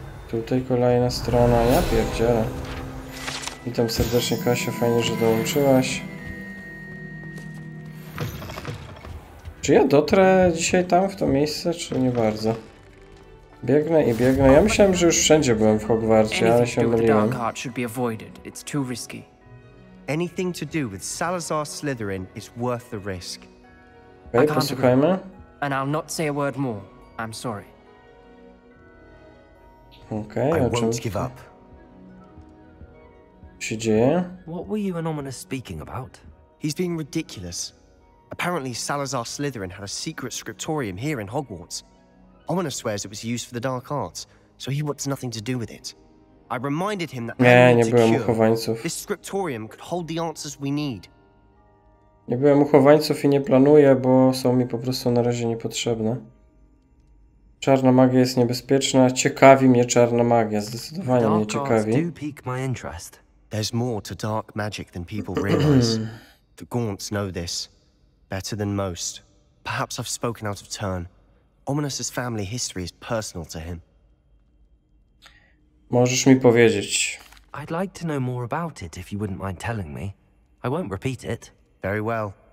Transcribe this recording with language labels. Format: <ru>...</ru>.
<pl>Tutaj kolejna strona, ja pierdzielę. Witam serdecznie, Kasia, fajnie, że dołączyłaś. Czy ja dotrę dzisiaj tam, w to miejsce, czy nie bardzo? Biegnę i biegnę. Ja myślałem, że już wszędzie byłem w Hogwarcie, ale się myliłem.</pl> <en>Anything to do with Salazar Slytherin is worth the risk. Okay,</en> <pl>posłuchajmy.</pl> <en>And I'll not say a word more. I'm sorry. Okay, I won't give up.</en> <pl>Się dzieje?</pl> <en>What were you and Ominous speaking about? He's being ridiculous. Apparently Salazar Slytherin had a secret scriptorium here in Hogwarts. Ominous swears it was used for the dark arts, so he wants nothing to do with it. I reminded him that</en> <pl>nie byłem u chowańców.</pl> <en>This scriptorium could hold the answers we need.</en> <pl>Nie byłem u chowańców i nie planuję, bo są mi po prostu na razie niepotrzebne. Czarna magia jest niebezpieczna. Ciekawi mnie czarna magia, zdecydowanie mnie ciekawi.</pl> <en>There's more to dark magic than people realize. The Gaunts know this better than most. Perhaps I've spoken out of turn. Ominous's family history is personal to him.</en> <pl>Możesz mi powiedzieć.</pl> <en>I'd like to know more about it if you wouldn't mind telling me. I won't repeat it. Very well.</en>